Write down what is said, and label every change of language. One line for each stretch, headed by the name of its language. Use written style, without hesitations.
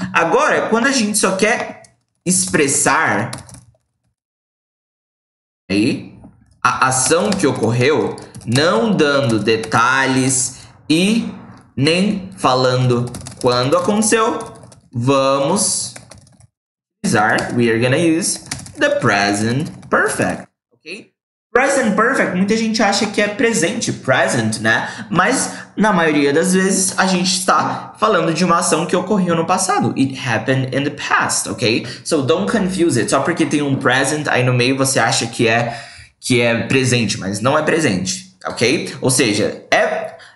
Portuguese: Agora, quando a gente só quer expressar aí a ação que ocorreu, não dando detalhes e nem falando quando aconteceu, vamos...
English: We are gonna use the present perfect, ok?
Portuguese: Present perfect, muita gente acha que é presente, present, né? Mas, na maioria das vezes, a gente está falando de uma ação que ocorreu no passado.
English: It happened in the past, ok? So, don't confuse it.
Portuguese: Só porque tem um present aí no meio, você acha que é presente, mas não é presente, ok? Ou seja, é